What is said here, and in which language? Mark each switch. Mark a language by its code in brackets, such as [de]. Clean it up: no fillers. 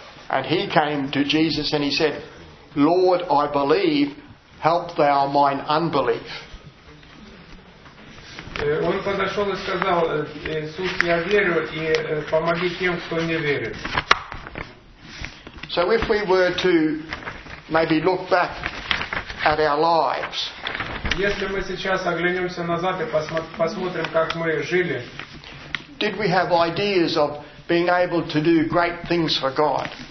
[en] And he came to Jesus and he said, "Lord, I believe, help thou mine unbelief." [ru] Он подошел и сказал, Иисус, я верю, и помоги тем, кто не верит. [en] So if we were to maybe look back at our lives, [ru] если мы сейчас оглянемся назад и посмотрим, как мы жили, [en] did we have ideas of being able to do great things for God?